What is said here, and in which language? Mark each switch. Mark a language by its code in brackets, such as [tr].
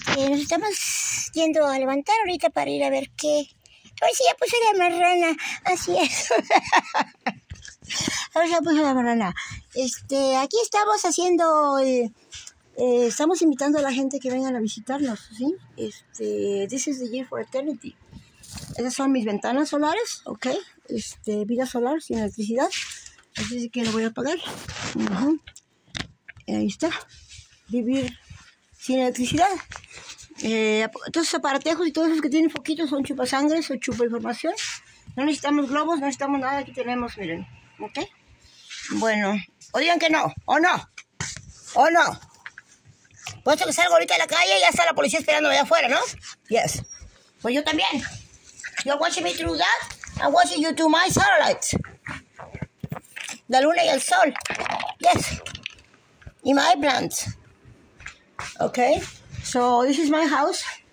[es] Nos estamos yendo a levantar ahorita para ir a ver qué. A ver si ya puse la marrana. Así es. A ver si ya puse la marrana. Aquí estamos haciendo. Estamos invitando a la gente que vengan a visitarnos, ¿sí? [en] This is the year for eternity. [es] Esas son mis ventanas solares, ¿ok? Vida solar sin electricidad. Así es que lo voy a apagar. Uh-huh. Ahí está. Vivir sin electricidad. Todos esos aparatejos y todos esos que tienen foquitos son chupasangres o chupainformación. No necesitamos globos, no necesitamos nada. Aquí tenemos, miren. ¿Ok? Bueno, o digan que no. ¿O no? Puesto que salgo ahorita a la calle y ya está la policía esperándome allá afuera, ¿no? [en] Yes. [es] Pues yo también. [en] You're watching me through that. I'm watching you through my satellites. [es] La luna y el sol. [en] Yes. [es] Y [en] my plants. Okay. So, this is my house.